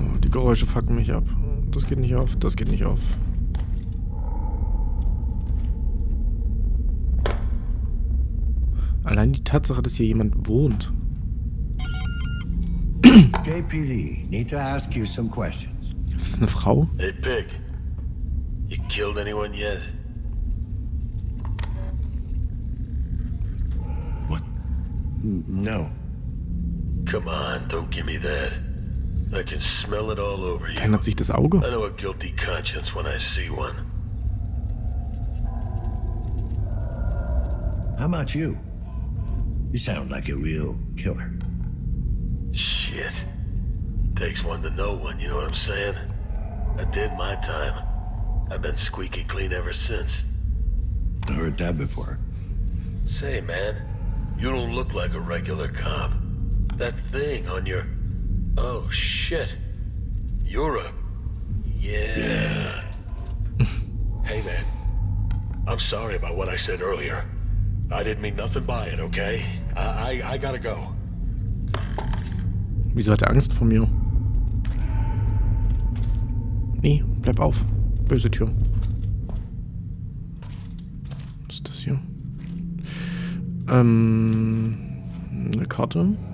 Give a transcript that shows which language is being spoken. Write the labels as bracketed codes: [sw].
[de] Geräusche fucken mich ab. Das geht nicht auf. Das geht nicht auf. Allein die Tatsache, dass hier jemand wohnt. [en] JPD, need to ask you some questions. [de] Ist das eine Frau? [en] Hey Pig, you killed anyone yet? What? No. Come on, don't give me that. I can smell it all over you. [de] Verändert sich das Auge? [en] I know a guilty conscience when I see one. How about you? You sound like a real killer. Shit. Takes one to know one, you know what I'm saying? I did my time. I've been squeaky clean ever since. I heard that before. Say, man, you don't look like a regular cop. That thing on your... Oh, shit. You're a... Yeah. Yeah. Hey, man. I'm sorry about what I said earlier. I didn't mean nothing by it, okay? I gotta go. [de] Wieso hat er Angst vor mir? Nee, bleib auf. Böse Tür. Was ist das hier? Eine Karte.